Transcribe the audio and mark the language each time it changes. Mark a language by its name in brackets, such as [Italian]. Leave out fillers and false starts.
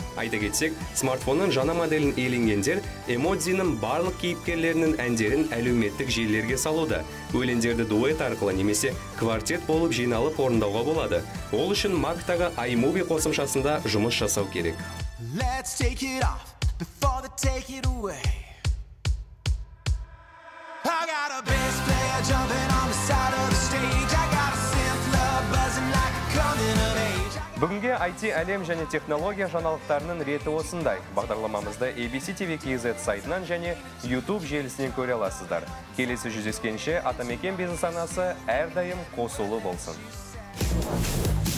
[Kazakh] Айта кетсек, смартфонның жана моделін иеленгендер эмодзинің барлық кейіпкерлерінің әндерін әлеуметтік желілерге салуда. Өлендерді дуэт арқылы немесе квартет болып жиналып орындауға болады. Ол үшін Mac-тағы iMovie қосымшасында жұмыс жасау керек. [English] Let's take it off before they take it away. I got a bass player jumping on the side of the stage. I got a synth love buzzing like a coming of age. [Kazakh] Бүгінге IT әлем және технология жаңалықтарының реті осындай. Бағдарламамызды abc.tv.kz сайтынан және YouTube желісінен көре аласыздар. Келесі жүздескенше, Атамекен бизнес анасы әрдайым қосулы болсын.